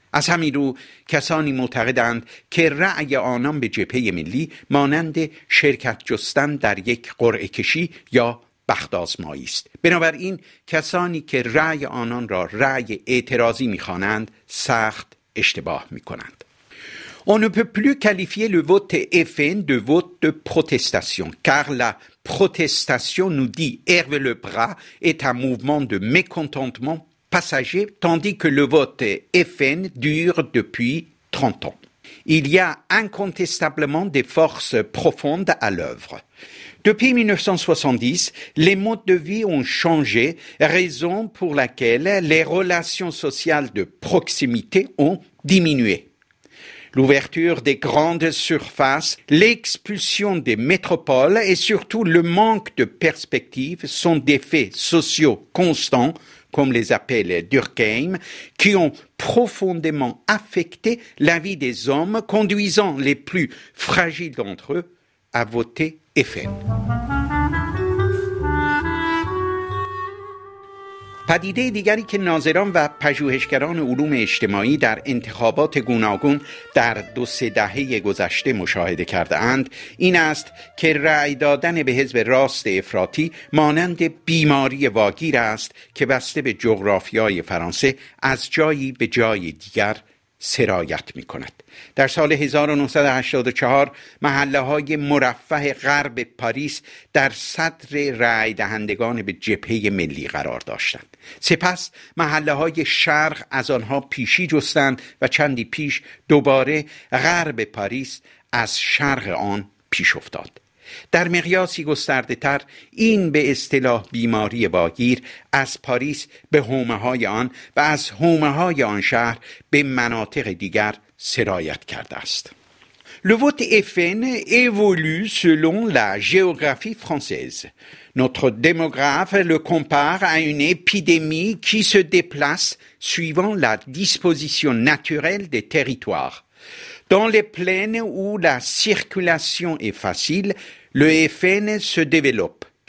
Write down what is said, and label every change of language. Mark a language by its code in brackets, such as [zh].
[fa] از همین رو کسانی معتقدند که رأی آنان به جبهه ملی مانند شرکت جستن در یک قرعه کشی یا بخت آزمایی است. بنابراین کسانی که رأی آنان را رأی اعتراضی می‌خوانند سخت اشتباه می‌کنند. [fr] On ne peut plus qualifier le vote FN de vote de protestation car la protestation nous dit Hervé Le Bras est un mouvement de mécontentement passager tandis que le vote FN dure depuis 30 ans. Il y a incontestablement des forces profondes à l'œuvre. Depuis 1970, les modes de vie ont changé, raison pour laquelle les relations sociales de proximité ont diminué. L'ouverture des grandes surfaces, l'expulsion des métropoles et surtout le manque de perspectives sont des faits sociaux constants, comme les appelle Durkheim, qui ont profondément affecté la vie des hommes, conduisant les plus fragiles d'entre eux à voter FN. [fa] پدیده دیگری که ناظران و پژوهشگران علوم اجتماعی در انتخابات گوناگون در دو سه دهه گذشته مشاهده کرده اند این است که رأی دادن به حزب راست افراطی مانند بیماری واگیر است که بسته به جغرافیای فرانسه از جایی به جای دیگر سرایت می کند. در سال 1984 محله های مرفه غرب پاریس در صدر رأی دهندگان به جبهه ملی قرار داشتند. سپس محله های شرق از آنها پیشی جستند و چندی پیش دوباره غرب پاریس از شرق آن پیش افتاد. در مقیاسی گسترده تر این به اصطلاح بیماری واگیر از پاریس به حومه های آن و از حومه های آن شهر به مناطق دیگر سرایت کرده است. [fr] Le vote FN évolue selon la géographie française. Notre démographe le compare à une épidémie qui se déplace suivant la disposition naturelle des territoires. Dans les plaines où la circulation est facile, le FN se développe.